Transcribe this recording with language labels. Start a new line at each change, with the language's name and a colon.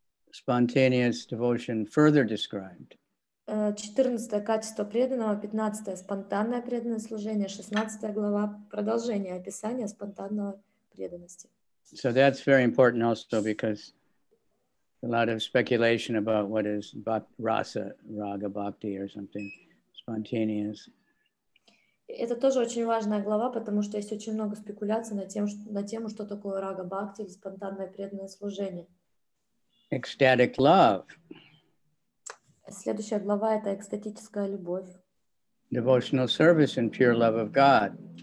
English: Spontaneous devotion further described.
Russian: 14 качество преданного, 15 спонтанное преданное служение, 16 глава продолжение описания спонтанного преданности.
English: So that's very important also because a lot of speculation about what is rasa, raga, bhakti or something, spontaneous.
Russian: Это тоже очень важная глава, потому что есть очень много спекуляций на тему, что такое рага бхакти, спонтанное преданное служение.
English: Ecstatic love.
Russian: Следующая глава — это экстатическая любовь.
English: Devotional service and pure love of God.